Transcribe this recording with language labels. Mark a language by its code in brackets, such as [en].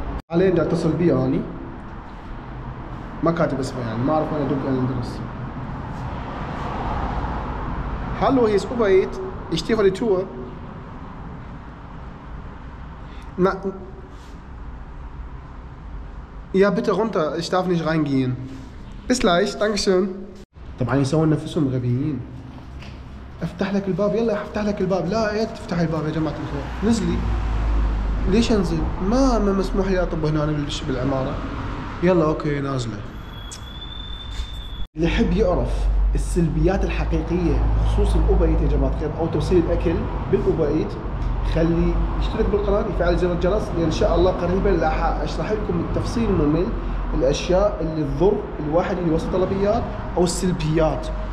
[ar] علي بدي أتصل بي أني ما كاتب اسمه يعني ما أعرف وين أدق أنا أدرس. هلو هي سكوبايت اشتغلي تو ما [de] Ja, bitte runter, ich darf nicht reingehen. Bis gleich, danke schön. [ar] طبعا يسوون نفسهم غبيين. افتح لك الباب، يلا افتح لك الباب. لا يا تفتح الباب يا جماعة الخير. نزلي. ليش انزل؟ ما مسموح لي اطب هنا بالعمارة. يلا اوكي نازلة. اللي يحب يعرف السلبيات الحقيقية بخصوص الأوبر إيت يا جماعة الخير أو توصيل الأكل بالأوبر إيت، خلي يشترك بالقناة، يفعل زر الجرس، لأن إن شاء الله قريبا راح أشرح لكم بالتفصيل الممل الأشياء اللي تضر الواحد اللي وصل طلبيات أو السلبيات.